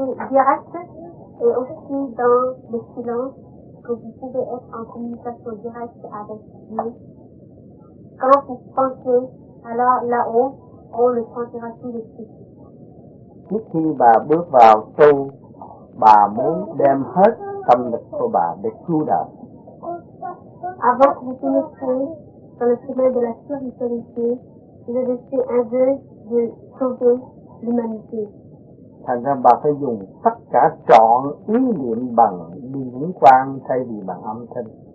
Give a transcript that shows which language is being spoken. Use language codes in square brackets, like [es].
[fr] Direct et aussi dans le silence que vous pouvez être en communication directe avec Dieu. Quand vous pensez, alors là-haut, on le sentira tout de suite. [vi] Trước khi bà bước vào tu, bà muốn đem hết tâm lực của bà để cứu đời. [fr] Avant que vous commencez dans le chemin de la spiritualité, vous avez fait un vœu de sauver l'humanité. [vi] Thành ra bà phải dùng tất cả trọn ý niệm bằng điện quang thay vì bằng âm thanh.